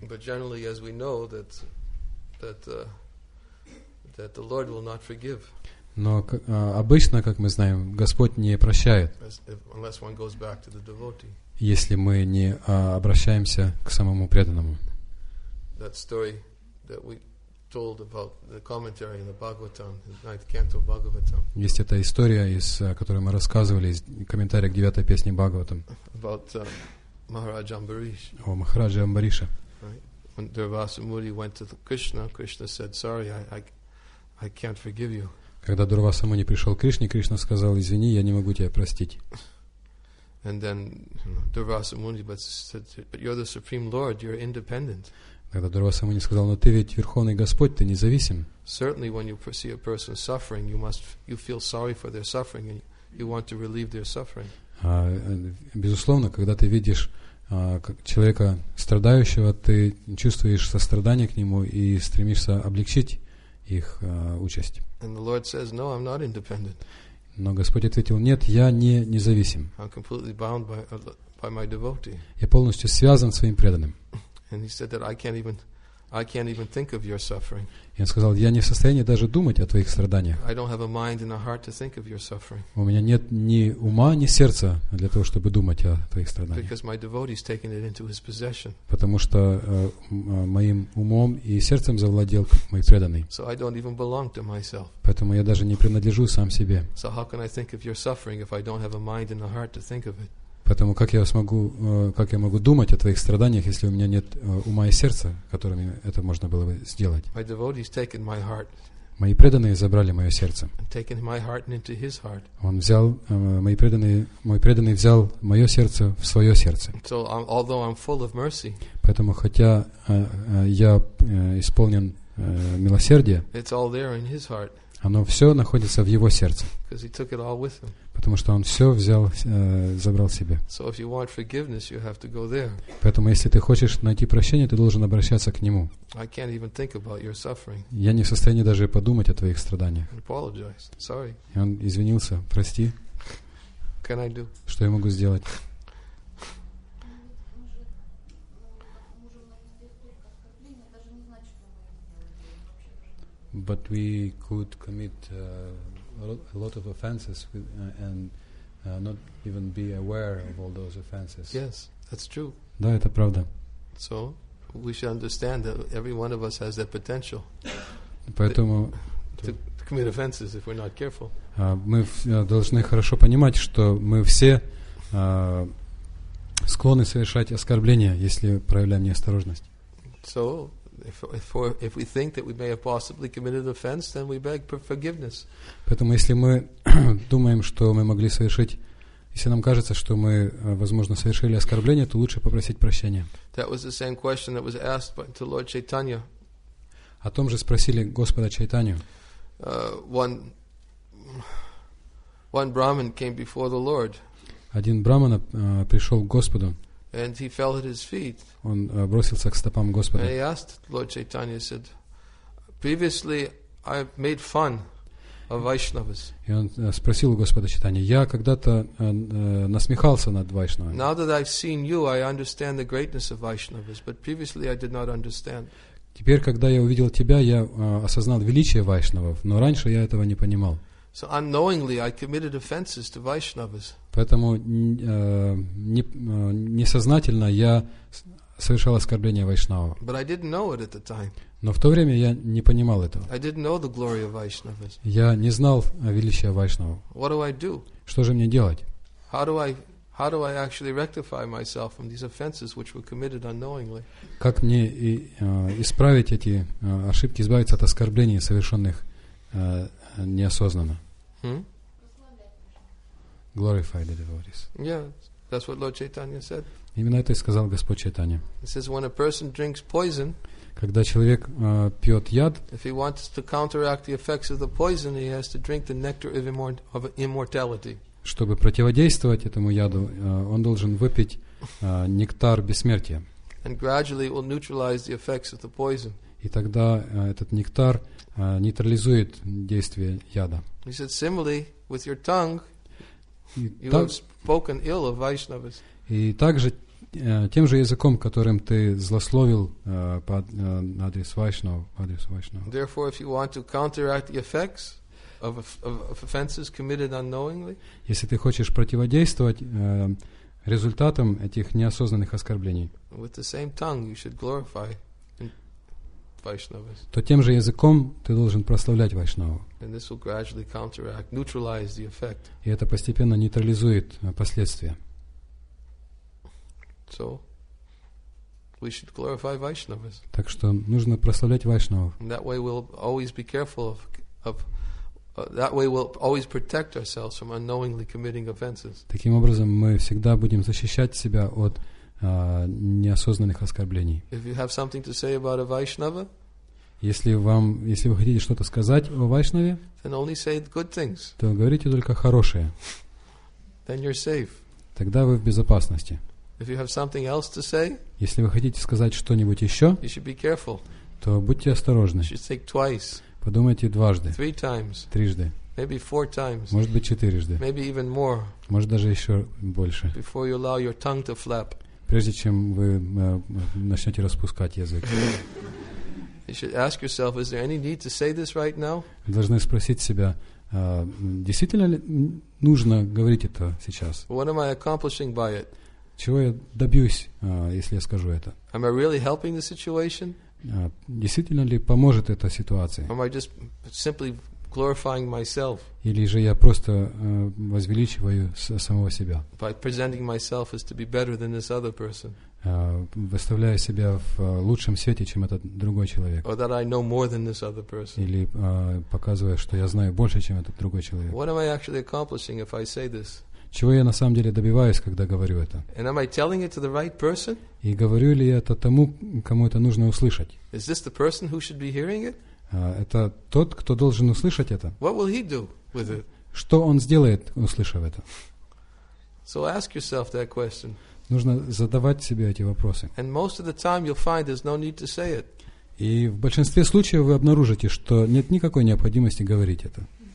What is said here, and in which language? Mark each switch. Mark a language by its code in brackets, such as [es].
[en] But generally, as we know, that the Lord will not forgive. [ru] Но обычно, как мы знаем, Господь не прощает, [en] unless one goes back to the devotee. [ru] Если мы не обращаемся к самому преданному. [en] That story that we told about the commentary in the Bhagavatam, the ninth canto of Bhagavatam. [ru] Есть эта история, из которой мы рассказывали, из комментария к девятой песне Бхагаватам. [en] About Maharaja Ambarish. [ru] О Махараджа Амбариша. [en] Right. When Durvasa Muni went to Krishna, Krishna said, "Sorry, I can't forgive you." [ru] Когда Дурваса Муни пришел к Кришне, Кришна сказал: "Извини, я не могу тебя простить." [en] And then Durvasa Muni said, "But you're the supreme Lord. You're independent." [ru] Тогда Дурваса Муни сказал: "Но ты ведь Верховный Господь, ты независим." [en] Certainly, when you see a person suffering, you feel sorry for their suffering and you want to relieve their suffering. [ru] Безусловно, когда ты видишь человека страдающего, ты чувствуешь сострадание к нему и стремишься облегчить их участь. [en] And the Lord says, "No, I'm not independent." [ru] Но Господь ответил: "Нет, я не независим. [en] I'm completely bound by my devotee." [ru] Я полностью связан своим преданным. [en] And he said that I can't even think of your suffering. [ru] И он сказал: "Я не в состоянии даже думать о твоих страданиях." [en] I don't have a mind and a heart to think of your suffering. [ru] У меня нет ни ума, ни сердца для того, чтобы думать о твоих страданиях. [en] Because my devotee is taking it into his possession. [ru] Потому что моим умом и сердцем завладел мой преданный. [en] So I don't even belong to myself. [ru] Поэтому я даже не принадлежу сам себе. [en] So how can I think of your suffering if I don't have a mind and a heart to think of it? [ru] Поэтому как я могу думать о твоих страданиях, если у меня нет ума и сердца, которыми это можно было бы сделать? [en] My devotee's taken my heart. [ru] Мои преданные забрали мое сердце. [en] And taken my heart into his heart. [ru] Он взял, мой преданный взял мое сердце в свое сердце. [en] So, although I'm full of mercy, [ru] поэтому хотя я исполнен милосердия, [en] it's all there in his heart. [ru] Оно все находится в его сердце. [en] He took it all with him. [ru] Потому что он все взял, забрал себе. [en] So if you want forgiveness, you have to go there. [ru] Поэтому если ты хочешь найти прощение, ты должен обращаться к нему. [en] I can't even think about your suffering. [ru] Я не в состоянии даже подумать о твоих страданиях. [en] Apologize. Sorry. [ru] И он извинился. Прости. [en] Can I do? [ru] Что я могу сделать? [en] But we could commit a lot of offenses with, and not even be aware of all those offenses. Yes, that's true. [ru] Да, это правда. [en] So we should understand that every one of us has that potential. [ru] Поэтому [en] to commit offenses if we're not careful. [ru] Мы должны хорошо понимать, что мы все склонны совершать оскорбления, если проявляем неосторожность. [en] So. If we think that we may have possibly committed an offense, then we beg for forgiveness. [ru] Поэтому, если мы думаем, что мы могли совершить, если нам кажется, что мы, возможно, совершили оскорбление, то лучше попросить прощения. [en] That was the same question that was asked to Lord Chaitanya. [ru] О том же спросили Господа Чайтанью. [en] One Brahmin came before the Lord. [ru] Один брахмана пришел к Господу. [en] And he fell at his feet. [ru] Он бросился к стопам Господа. [en] And he asked Lord Chaitanya, said, "Previously, I made fun of Vaishnavas." [ru] И он спросил у Господа Чайтанья: "Я когда-то насмехался над Вайшнавами." [en] Now that I've seen you, I understand the greatness of Vaishnavas, but previously I did not understand. [ru] Теперь, когда я увидел тебя, я осознал величие Вайшнавов, но раньше я этого не понимал. [en] So unknowingly, I committed offenses to Vaishnavas. [ru] Поэтому несознательно я совершал оскорбление Вайшнава. [en] But I didn't know it at the time. [ru] Но в то время я не понимал этого. [en] I didn't know the glory of Vaishnavas. [ru] Я не знал о величии Вайшнава. [en] What do I do? [ru] Что же мне делать? [en] How do I actually rectify myself from these offenses which were committed unknowingly? [ru] Как мне исправить эти ошибки, избавиться от оскорблений, совершенных неосознанно? [en] Glorify the devotees. Yeah, that's what Lord Chaitanya said. [ru] Именно это и сказал Господь Чайтанья. [en] He says, when a person drinks poison, [ru] когда человек пьет яд, [en] if he wants to counteract the effects of the poison, he has to drink the nectar of immortality. [ru] чтобы противодействовать этому яду, он должен выпить нектар бессмертия. [en] And gradually it will neutralize the effects of the poison. [ru] И тогда этот нектар нейтрализует действие яда. [en] He said, similarly, with your tongue, you have spoken ill of Vaishnavas. [ru] И также тем же языком, которым ты злословил под адрес Вайшнава. [en] Therefore, if you want to counteract the effects of offenses committed unknowingly, [ru] если ты хочешь противодействовать результатам этих неосознанных оскорблений, [en] with the same tongue, you should glorify. [ru] То тем же языком ты должен прославлять Вайшнаву. [en] And this will gradually counteract, neutralize the effect. [ru] И это постепенно нейтрализует последствия. [en] So, we should glorify Vaishnavas. [ru] Так что нужно прославлять Вайшнаву. [en] That way we'll always be careful that way we'll always protect ourselves from unknowingly committing offenses. [ru] Таким образом, мы всегда будем защищать себя от неосознанных оскорблений. [en] If you have something to say about a Vaishnava, [ru] если вы хотите что-то сказать о Вайшнаве, [en] then only say good things. [ru] То говорите только хорошее. [en] Then you're safe. [ru] Тогда вы в безопасности. [en] If you have something else to say, [ru] если вы хотите сказать что-нибудь еще, [en] you should be careful. [ru] То будьте осторожны. [en] You should think twice. [ru] Подумайте дважды. [en] Three times. [ru] Трижды. [en] Maybe four times. [ru] Может быть, четырежды. [en] Maybe even more. [ru] Может, даже еще больше. [en] Before you allow your tongue to flap. [ru] Прежде чем вы начнете распускать язык. [en] You should ask yourself, is there any need to say this right now? [ru] Должны спросить себя, действительно ли нужно говорить это сейчас? [en] What am I accomplishing by it? [ru] Чего я добьюсь, если я скажу это? [en] Am I really helping the situation? [ru] Действительно ли поможет эта ситуация? [en] Am I just simply glorifying myself? [ru] Или же я просто возвеличиваю самого себя? [en] By presenting myself as to be better than this other person. [ru] Выставляя себя в лучшем свете, чем этот другой человек. [en] Or that I know more than this other person. [ru] Или показывая, что я знаю больше, чем этот другой человек. [en] What am I actually accomplishing if I say this? [ru] Чего я на самом деле добиваюсь, когда говорю это? [en] And am I telling it to the right person? [ru] И говорю ли я это тому, кому это нужно услышать? [en] Is this the person who should be hearing it? [ru] Это тот, кто должен услышать это. [en] What will he do with it? [ru] Что он сделает, услышав это? [en] So ask yourself that question. [ru] Нужно задавать себе эти вопросы. [en] And most of the time you'll find there's no need to say it. [ru] И в большинстве случаев вы обнаружите, что нет никакой необходимости говорить это.